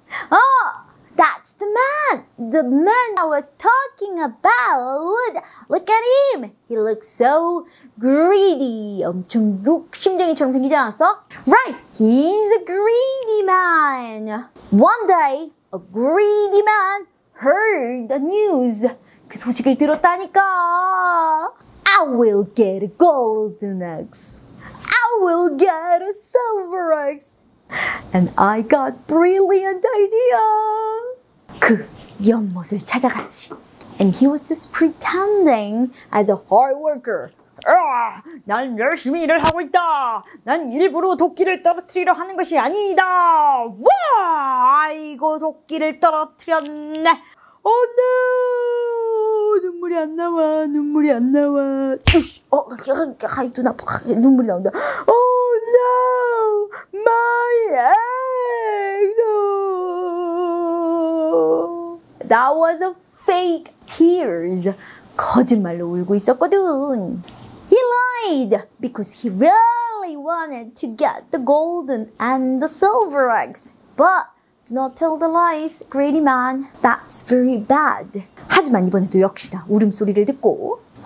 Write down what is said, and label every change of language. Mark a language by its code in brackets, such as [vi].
[en] Oh, that's the man! The man I was talking about! Look at him! He looks so greedy! [ko] 엄청 욕심쟁이처럼 생기지 않았어? [en] Right! He's a greedy man! One day, a greedy man heard the news! [ko] 그 소식을 들었다니까! [en] I will get a golden axe! I will get a silver axe! And I got brilliant idea! [ko] 그 연못을 찾아갔지. [en] And he was just pretending as a hard worker. [ko] 난 열심히 일을 하고 있다! 난 일부러 도끼를 떨어뜨리려 하는 것이 아니다! 와! 아이고, 도끼를 떨어뜨렸네! [en] Oh no! [ko] 눈물이 안 나와, 눈물이 안 나와. 아이, 눈 아파. 눈물이 나온다. [en] Oh no! My eggs! Oh. That was a fake tears. [ko] 거짓말로 울고 있었거든. [en] He lied because he really wanted to get the golden and the silver eggs. But do not tell the lies, greedy man. That's very bad. [ko] 하지만 이번에도 역시나 울음소리를 듣고